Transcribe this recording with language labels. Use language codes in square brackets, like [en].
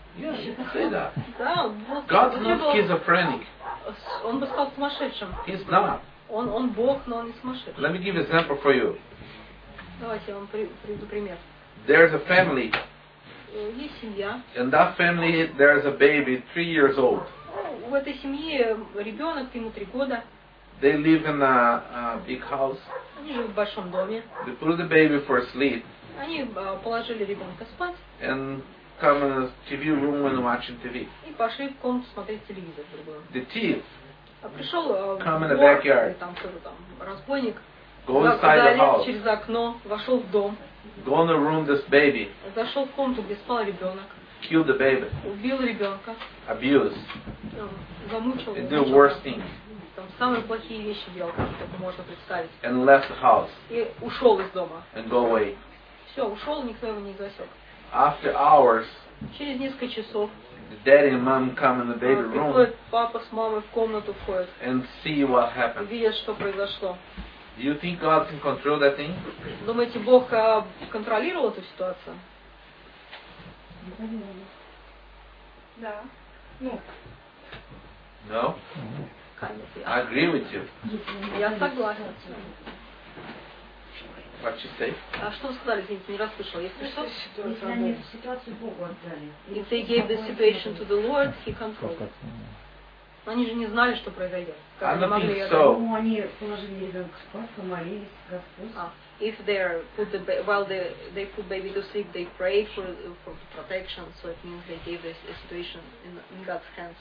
[en] Yeah, you can say that. God's not schizophrenic. [ru] Он бы сказал сумасшедшим. [en] He's not. [ru] Он Бог, но он не сумасшедший. [en] Let me give an example for you. [ru] Давайте я вам приведу пример. [en] There's a family. [ru] Есть семья. [en] And that family, there's a baby, 3 years old. [ru] В этой семье ребенок, ему 3 года. [en] They live in a big house. [ru] Они живут в большом доме. [en] They put the baby for sleep. [ru] Они положили ребенка спать. [en] And come in the TV room and watching TV. [ru] И пошли в комнату смотреть телевизор другой. [en] The thief. [ru] А пришел [en] come in the backyard. [ru] Или там кто-то там разбойник. [en] Go inside the house. [ru] Через окно вошел в дом. [en] Go in the room this baby. [ru] Зашел в комнату, где спал ребенок. [en] Kill the baby. [ru] Убил ребенка. [en] Abuse. [ru] Замучил. [en] It's the worst thing. [ru] Там самые плохие вещи делал, как можно представить. [en] And left the house. [ru] И ушел из дома. [en] And go away. [ru] Все, ушел, никто его не засек. [en] After hours. [ru] Через несколько часов. [en] Daddy and mom come in the baby room. [ru] Приходит папа с мамой в комнату входит. [en] And see what happened. [ru] Видят, что произошло. [en] Do you think God can control that thing? [ru] Думаете, Бог контролировал эту ситуацию? Да. Ну. [en] No. I agree with you. [ru] Я согласна. [en] What you say? [ru] А что вы сказали, извините, не расслышал. Если что, ситуация. Если они ситуацию Богу отдали. [en] If they gave the situation to the Lord, He controlled it. [ru] Но они же не знали, что произойдет. Как они могли это? Ну, они положили ребенка спать, помолились, Господь. [en] If they put the while they put baby to sleep, they pray for the protection. So it means they gave this a situation in God's hands.